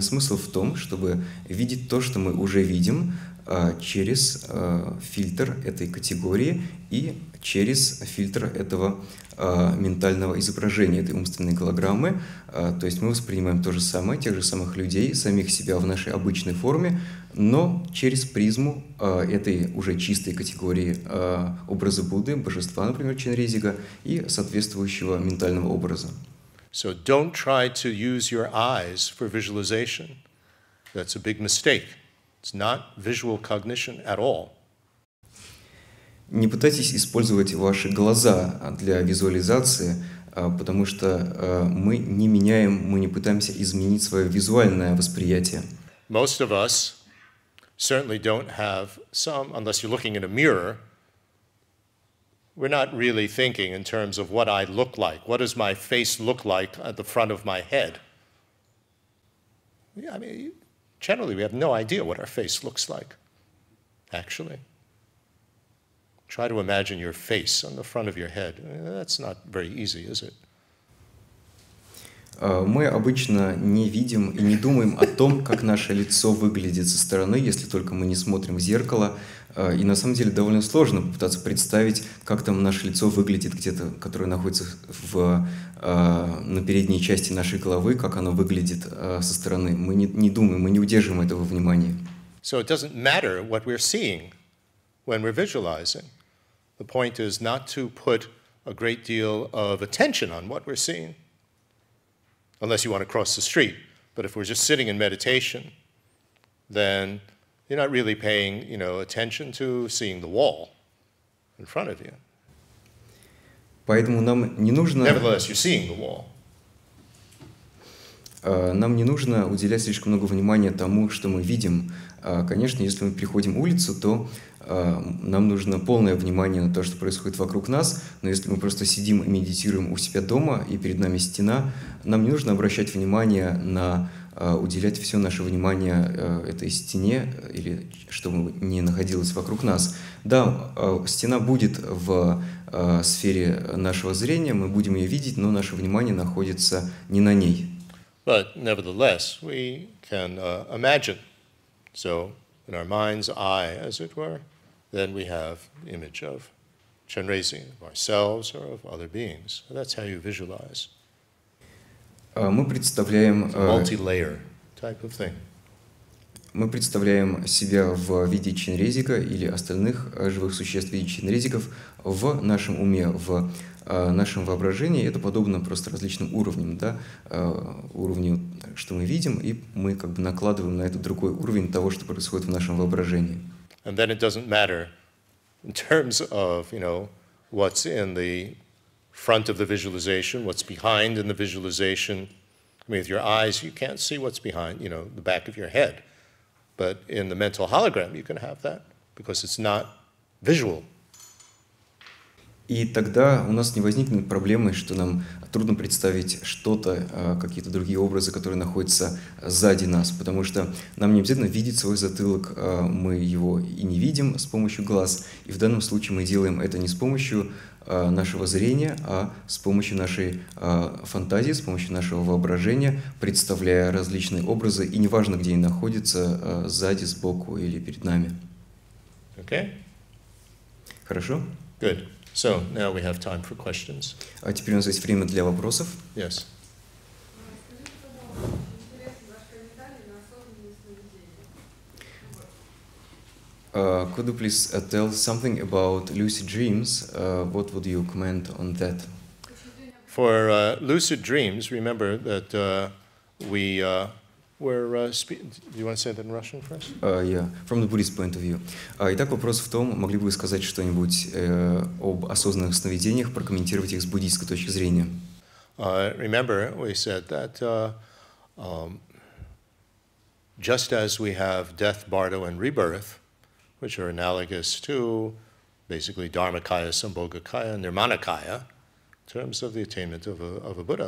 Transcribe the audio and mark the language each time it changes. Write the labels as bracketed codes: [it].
[ru] Смысл в том, чтобы видеть то, что мы уже видим, через фильтр этой категории и через фильтр этого ментального изображения, этой умственной голограммы. То есть мы воспринимаем то же самое, тех же самых людей, самих себя в нашей обычной форме, но через призму этой уже чистой категории образа Будды, божества, например, Чинризига, и соответствующего ментального образа. [en] So don't try to use your eyes for visualization. That's a big mistake. It's not visual cognition at all. [ru] Не пытайтесь использовать ваши глаза для визуализации, потому что мы не меняем, мы не пытаемся изменить свое визуальное восприятие. [en] Most of us certainly don't have some, unless you're looking in a mirror, we're not really thinking in terms of what I look like. What does my face look like at the front of my head? Yeah, I mean, generally, we have no idea what our face looks like, actually. Try to imagine your face on the front of your head. That's not very easy, is it? [ru] Мы обычно не видим и не думаем о том, как наше лицо выглядит со стороны, если только мы не смотрим в зеркало. И на самом деле довольно сложно попытаться представить, как там наше лицо выглядит где-то, которое находится на передней части нашей головы, как оно выглядит со стороны. Мы не думаем, мы не удерживаем этого внимания. [en] So it doesn't matter what we're seeing when we're visualizing. The point is not to put a great deal of attention on what we're seeing. Unless you want to cross the street, but if we're just sitting in meditation, then you're not really paying, you know, attention to seeing the wall in front of you. [ru] Поэтому нам не нужно. [en] Nevertheless, you're seeing the wall. [ru] Нам не нужно уделять слишком много внимания тому, что мы видим. Конечно, если мы переходим улицу, то нам нужно полное внимание на то, что происходит вокруг нас, но если мы просто сидим и медитируем у себя дома, и перед нами стена, нам не нужно обращать внимание на уделять все наше внимание этой стене, или чтобы не находилось вокруг нас. Да, стена будет в сфере нашего зрения, мы будем ее видеть, но наше внимание находится не на ней. [en] But nevertheless, we can imagine. So in our mind's eye, as it were, then we have the image of Chenrezig, of ourselves or of other beings. So that's how you visualize. [ru] Мы представляем [en] multi-layer type of thing. [ru] Мы представляем себя в виде Чинризига или остальных живых существ в виде Чинризигов в нашем уме, в нашем воображении. Это подобно просто различным уровням, да, уровню, что мы видим, и мы как бы накладываем на это другой уровень того, что происходит в нашем воображении. [en] And then it doesn't matter in terms of, you know, what's in the front of the visualization, what's behind in the visualization. I mean, with your eyes, you can't see what's behind, you know, the back of your head. But in the mental hologram, you can have that, because it's not visual. [ru] И тогда у нас не возникнет проблемы, что нам трудно представить что-то, какие-то другие образы, которые находятся сзади нас, потому что нам не обязательно видеть свой затылок, мы его и не видим с помощью глаз, и в данном случае мы делаем это не с помощью нашего зрения, а с помощью нашей фантазии, с помощью нашего воображения, представляя различные образы, и неважно, где они находятся, сзади, сбоку или перед нами. [en] Okay. [ru] Хорошо? [en] Good. So now we have time for questions. [ru] А теперь у нас есть время для вопросов. [en] Yes. Could you please tell something about lucid dreams? What would you comment on that? For lucid dreams, remember that we were... do you want to say that in Russian first? Yeah, from the Buddhist point of view. [ru] Итак, вопрос в том, могли бы вы сказать что-нибудь об осознанных сновидениях, прокомментировать их с буддийской точки зрения? [en] Remember, we said that just as we have death, bardo, and rebirth, which are analogous to basically dharmakaya, sambhogakaya, and nirmanakaya, in terms of the attainment of a Buddha.